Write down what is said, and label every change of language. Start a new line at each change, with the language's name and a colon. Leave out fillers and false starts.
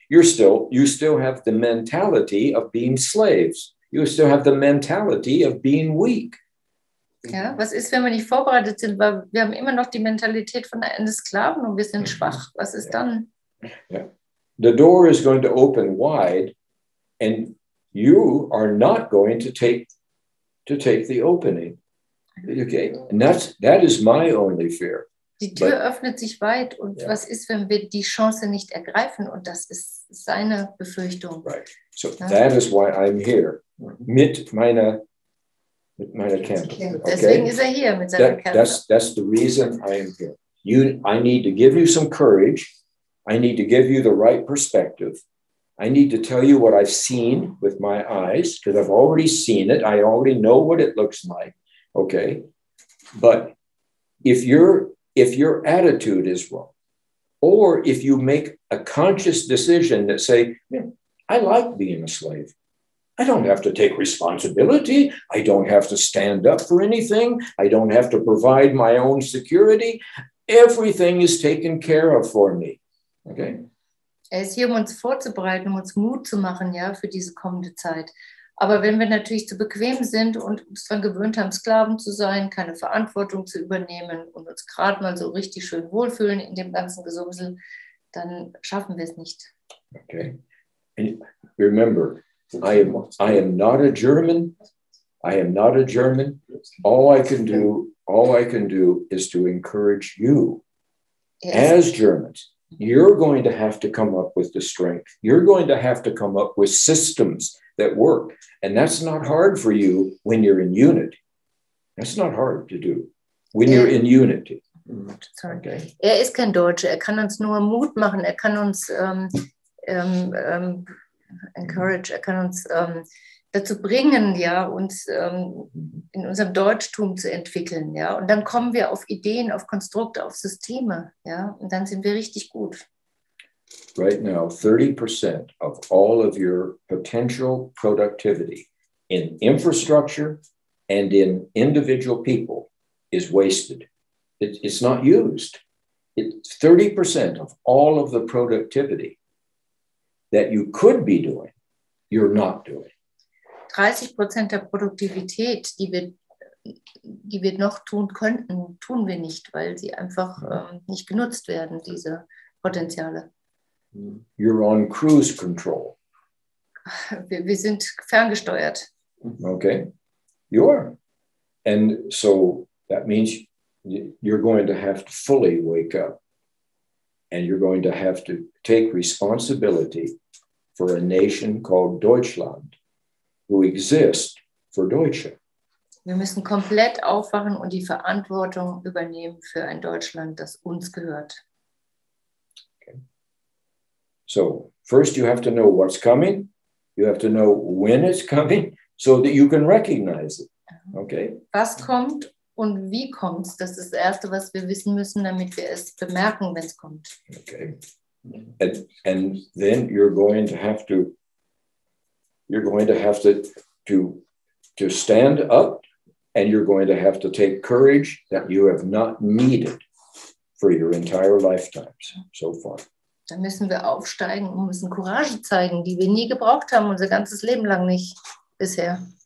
English: You still have the mentality of being slaves. You still have the mentality of being weak.
German: Ja, was ist, wenn wir nicht vorbereitet sind? Weil wir haben immer noch die Mentalität von einem Sklaven und wir sind schwach. Was ist dann?
English: Yeah. The door is going to open wide, and you are not going to take the opening. Okay, and that is my only fear.
German: Die Tür öffnet sich weit, und was ist, wenn wir die Chance nicht ergreifen? Und das ist seine Befürchtung.
English: Right. So that is why I'm here.
German: Mit meiner Kerze. Okay. Deswegen ist er hier mit seiner Kerze.
English: That's the reason I am here. I need to give you some courage. I need to give you the right perspective. I need to tell you what I've seen with my eyes, because I've already seen it. I already know what it looks like. Okay. But if your attitude is wrong, or if you make a conscious decision that say, I like being a slave, I don't have to take responsibility, I don't have to stand up for anything, I don't have to provide my own security, everything is taken care of for me. Okay.
German: Er ist hier, um uns vorzubereiten, um uns Mut zu machen, ja, für diese kommende Zeit. Aber wenn wir natürlich zu bequem sind und uns daran gewöhnt haben, Sklaven zu sein, keine Verantwortung zu übernehmen und uns gerade mal so richtig schön wohlfühlen in dem ganzen Gesumsel, dann schaffen wir es nicht.
English: Okay. And remember, I am not a German. I am not a German. All I can do is to encourage you, yes, as Germans. You're going to have to come up with the strength. You're going to have to come up with systems that work. And that's not hard for you when you're in unity. That's not hard to do when you're in unity.
German: Okay. Er ist kein Deutscher. Er kann uns nur Mut machen. Er kann uns encourage. Er kann uns dazu bringen, ja, uns in unserem Deutschtum zu entwickeln. Ja. Und dann kommen wir auf Ideen, auf Konstrukte, auf Systeme. Ja. Und dann sind wir richtig gut.
English: Right now, 30% of all of your potential productivity in infrastructure and in individual people is wasted. It's not used. 30% of all of the productivity that you could be doing, you're not doing.
German: 30% der Produktivität, die wir noch tun könnten, tun wir nicht, weil sie einfach nicht genutzt werden, diese Potenziale.
English: You're on cruise control.
German: Wir sind ferngesteuert.
English: Okay, you are. And so that means you're going to have to fully wake up and you're going to have to take responsibility for a nation called Deutschland, who exist for Deutsche.
German: Wir müssen komplett aufwachen und die Verantwortung übernehmen für ein Deutschland, das uns gehört. Okay.
English: So, first you have to know what's coming. You have to know when it's coming so that you can recognize it. Okay?
German: Was kommt und wie kommt's? Das ist das Erste, was wir wissen müssen, damit wir es bemerken, wenn es kommt. Okay.
English: And then you're going to have to stand up, and you're going to have to take courage that you have not needed for your entire lifetimes so far.
German: Dann müssen wir aufsteigen und müssen Courage zeigen, die wir nie gebraucht haben, unser ganzes Leben lang nicht bisher.